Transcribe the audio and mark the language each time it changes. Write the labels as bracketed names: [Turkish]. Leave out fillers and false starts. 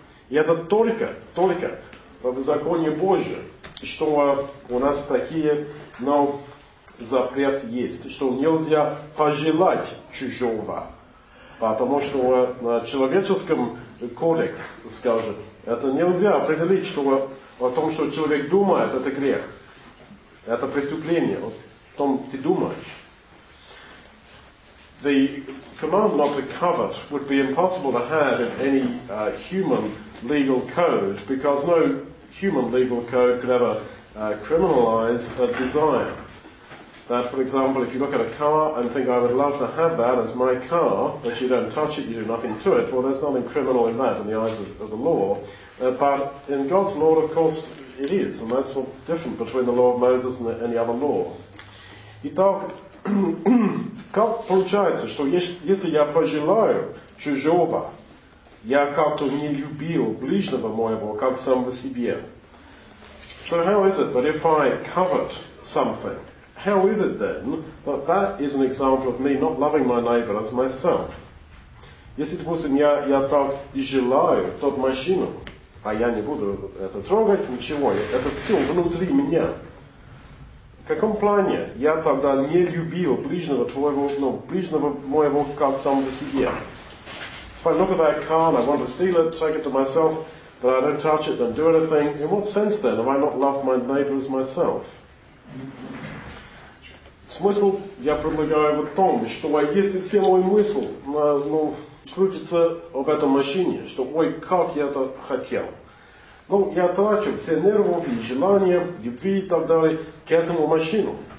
[Russian] И это только в законе Божьем, что у нас такие, но запрет есть, что нельзя пожелать чужого. Потому что на человеческом кодекс скажет, это нельзя определить, что о том, что человек думает, это грех. Это преступление, о том ты думаешь. [English] The command not to covet would be impossible to have in any human legal code, because no human legal code could ever criminalize a desire. That, for example, if you look at a car and think, I would love to have that as my car, but you don't touch it, you do nothing to it, well, there's nothing criminal in that in the eyes of the law. But in God's law, of course, it is, and that's what different between the law of Moses and any other law. [Russian] Итак, как получается, что если я пожелаю чужого, я как-то не любил ближнего моего, как самого себя. [English] So how is it that if I covet something, How is it then that that is an example of me not loving my neighbor as myself? [Russian] Если, допустим, я так желаю, тот мужчина, а я не буду это трогать, ничего, это все внутри меня. В каком плане я тогда не любил ближнего твоего, ну, ближнего моего как сам для себя? [English] If I look at that car and I want to steal it, take it to myself, but I don't touch it, don't do anything, in what sense then have I not loved my neighbor as myself? [Russian] Смысл я предлагаю в том, что если все мои мысли, ну, крутятся об этом мужчине, что ой, как я это хотел. Ну, я трачу все нервы, желания, любви и так далее к этому мужчину.